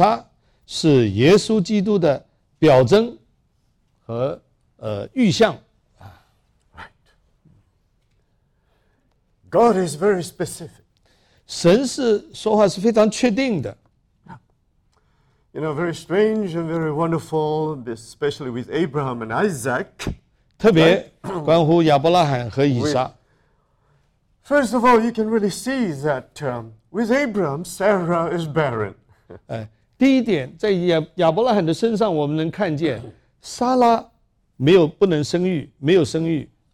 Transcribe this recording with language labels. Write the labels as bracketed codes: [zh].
[zh] 所以第一点就说到以撒是耶稣基督的表征, 和预象。 [en] Right. God is very specific. [zh] 神是说话是非常确定的。 [en] You know, very strange and very wonderful, especially with Abraham and Isaac. [zh] 特别关乎亚伯拉罕和以撒。 [en] First of all, you can really see that with Abraham, Sarah is barren. [zh] 第一点,在亚伯拉罕的身上我们能看见, 撒拉 没有不能生育,没有生育。